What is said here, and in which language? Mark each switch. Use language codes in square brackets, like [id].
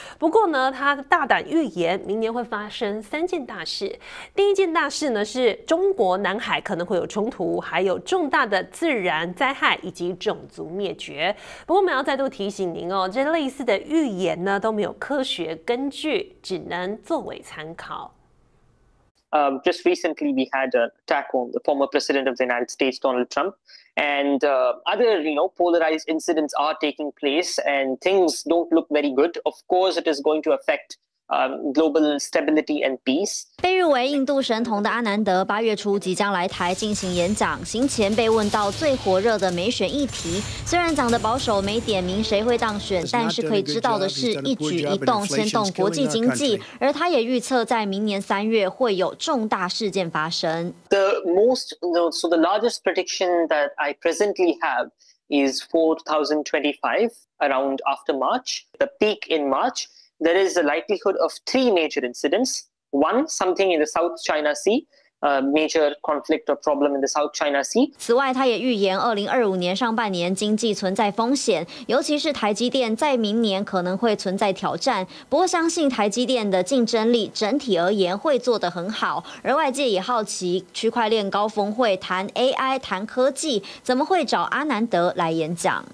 [zh] 不过呢，他大胆预言明年会发生3件大事。第一件大事呢，是中国南海可能会有冲突，还有重大的自然灾害以及种族灭绝。不过我们要再度提醒您哦，这类似的预言呢都没有科学根据，只能作为参考。 [en] Just recently, we had an attack on the former president of the United States, Donald Trump, and other, you know, polarized incidents are taking place, and things don't look very good. Of course, it is going to affect global stability and peace. [zh] 被誉为印度神童的阿南德八月初即将来台进行演讲，行前被问到最火热的美选议题，虽然讲的保守，没点名谁会当选，但是可以知道的是，一举一动牵动国际经济，而他也预测在明年三月会有重大事件发生。 [en] The largest prediction that I presently have is for 2025, around after March, the peak in March. There is a likelihood of 3 major incidents. One, something in the South China Sea, a major conflict or problem in the South China Sea. [zh] 此外，他也预言2025年上半年经济存在风险，尤其是台积电在明年可能会存在挑战。不过，相信台积电的竞争力整体而言会做得很好。而外界也好奇，区块链高峰会谈 AI、谈科技，怎么会找阿南德来演讲？